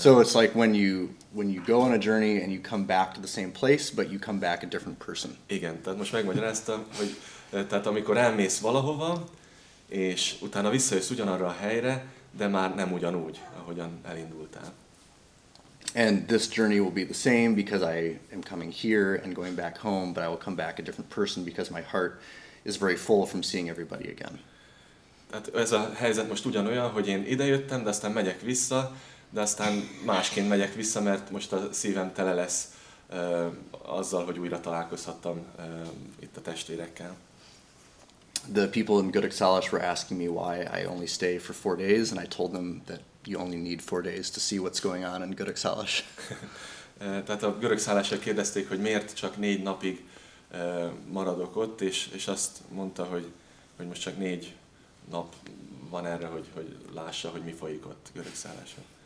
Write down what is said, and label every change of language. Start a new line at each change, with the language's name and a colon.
English: So it's like when you go on a journey and you come back to the same place, but you come back a different person.
Hungarian: Igen, tehát most megmagyaráztam, hogy tehát amikor elmész valahova, és utána visszajössz ugyanarra a helyre, de már nem ugyanúgy, ahogyan elindultál.
English: And this journey will be the same because I am coming here and going back home, but I will come back a different person because my heart is very full from seeing everybody again.
Hungarian: Tehát ez a helyzet most ugyanolyan, hogy én idejöttem, de aztán megyek vissza, de aztán másként megyek vissza, mert most a szívem tele lesz azzal, hogy újra találkozhattam itt a testvérekkel.
English: The people in Good Exchange were asking me why I only stay for 4 days, and I told them that you only need 4 days to see what's going on in Good Exchange.
Hungarian: Tehát a Good Exchange-ra kérdezték, hogy miért csak 4 napig maradok ott, és azt mondta, hogy most csak 4 nap van erre, hogy lássa, hogy mi folyik ott Good Exchange-ra.